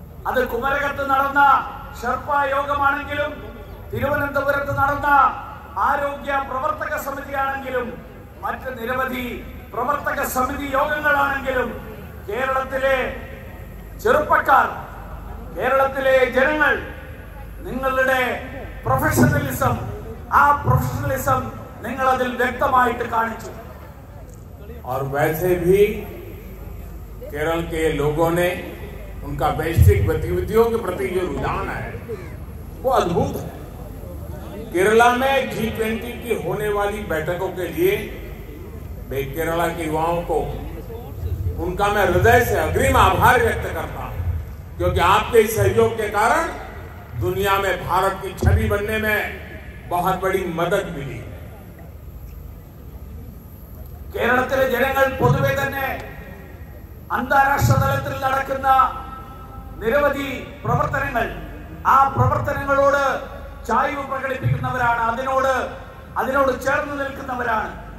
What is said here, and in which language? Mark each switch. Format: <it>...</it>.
<ml>അത് കുമരകത്ത് നടന്ന ഷെർപ്പ യോഗമാണെങ്കിലും തിരുവനന്തപുരത്ത് നടന്ന ആരോഗ്യ പ്രവർത്തക സമിതിയാണെങ്കിലും മറ്റ് നിരവധി പ്രവർത്തക സമിതി യോഗങ്ങളാണെങ്കിലും കേരളത്തിലെ ചെറുപ്പക്കാർ, കേരളത്തിലെ ജനങ്ങൾ നിങ്ങളുടെ പ്രൊഫഷണലിസം, ആ പ്രൊഫഷണലിസം നിങ്ങൾ അതിൽ വ്യക്തമായിട്ട് കാണിച്ചു.</ml> <hi>और वैसे भी केरल के लोगों ने उनका वैश्विक गतिविधियों के प्रति जो रुझान है वो अद्भुत है. केरला में G20 की होने वाली बैठकों के लिए मैं केरला के युवाओं को, उनका मैं हृदय से अग्रिम आभार व्यक्त करता हूं, क्योंकि आपके सहयोग के कारण दुनिया में भारत की छवि बनने में बहुत बड़ी मदद मिली.</hi> <ml>കേരളത്തിലെ ജനങ്ങൾ പൊതുവെ തന്നെ അന്താരാഷ്ട്ര തലത്തിൽ നടക്കുന്ന നിരവധി പ്രവർത്തനങ്ങൾ, ആ പ്രവർത്തനങ്ങളോട് ചായ്വ് പ്രകടിപ്പിക്കുന്നവരാണ്, അതിനോട് ചേർന്ന് നിൽക്കുന്നവരാണ്.</ml>